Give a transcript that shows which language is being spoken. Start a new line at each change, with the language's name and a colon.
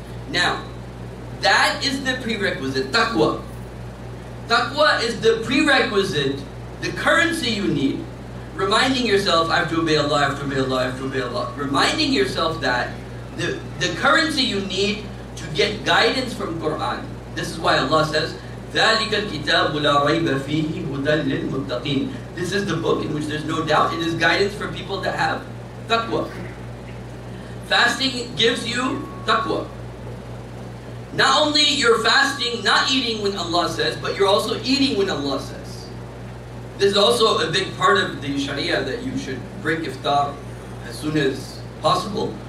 English: Now, that is the prerequisite, taqwa. Taqwa is the prerequisite, the currency you need. Reminding yourself, I have to obey Allah, I have to obey Allah, I have to obey Allah. Reminding yourself that, the currency you need to get guidance from Quran. This is why
Arabic: Allah says, ذَلِكَ الْكِتَابُ لَا رَيْبَ فِيهِ هُدًى لِلْمُتَّقِينَ.
English: This is the book in which there's no doubt. It is guidance for people to have taqwa. Fasting gives you taqwa. Not only you're fasting, not eating when Allah says, but you're also eating when Allah says. This is also a big part of the Sharia, that you should break iftar as soon as possible.